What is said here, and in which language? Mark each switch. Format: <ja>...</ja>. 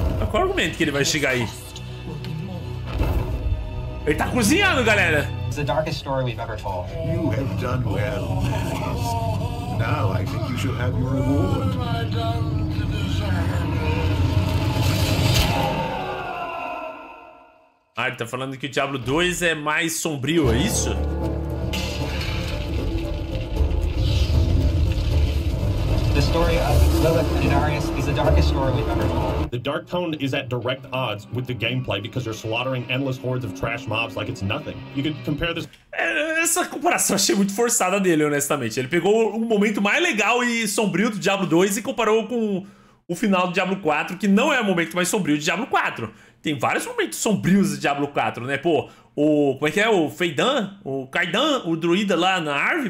<pt>Qual argumento que ele vai chegar aí? Ele tá cozinhando, galera.</pt> <en>The darkest story we've ever told. You have done well. Now I think you shall have your reward.</en> <pt>Ah, ele tá falando que o Diablo 2 é mais sombrio, é isso?</pt> <en>The story of Lilith and Inarius is the darkest story we've ever told. The dark tone is at direct odds with the gameplay because you're slaughtering endless hordes of trash mobs like it's nothing. You could compare this...</en> <pt>Essa comparação achei muito forçada dele, honestamente. Ele pegou um momento mais legal e sombrio do Diablo 2 e comparou com o final do Diablo 4, que não é o momento mais sombrio do Diablo 4. Tem vários momentos sombrios do Diablo 4, né? Pô, o... como é que é? O Feidan? O Kaidan? O druida lá na árvore?</pt>